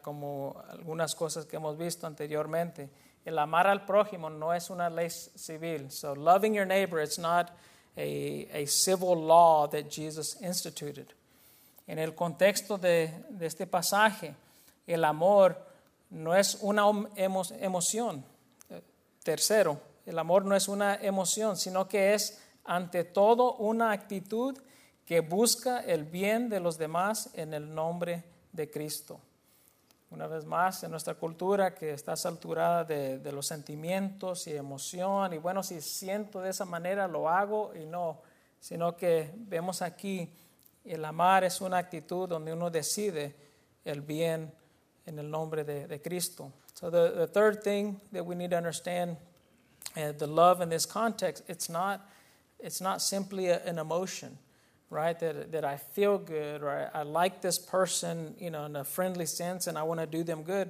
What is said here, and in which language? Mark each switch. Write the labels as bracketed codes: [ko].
[es] Como algunas cosas que hemos visto anteriormente. El amar al prójimo no es una ley civil. [en] So loving your neighbor, it's not a civil law that Jesus instituted. [es] en el contexto de este pasaje, el amor no es una emoción. Tercero, el amor no es una emoción, sino que es ante todo una actitud que busca el bien de los demás en el nombre de Cristo. Una vez más, en nuestra cultura que está saturada de los sentimientos y emoción, y bueno, si siento de esa manera lo hago, y no, sino que vemos aquí el amar es una actitud donde uno decide el bien en el nombre de Cristo. [en] So the third thing that we need to understand, the love in this context, it's not simply an emotion, right? That I feel good, or I like this person, you know, in a friendly sense, and I want to do them good.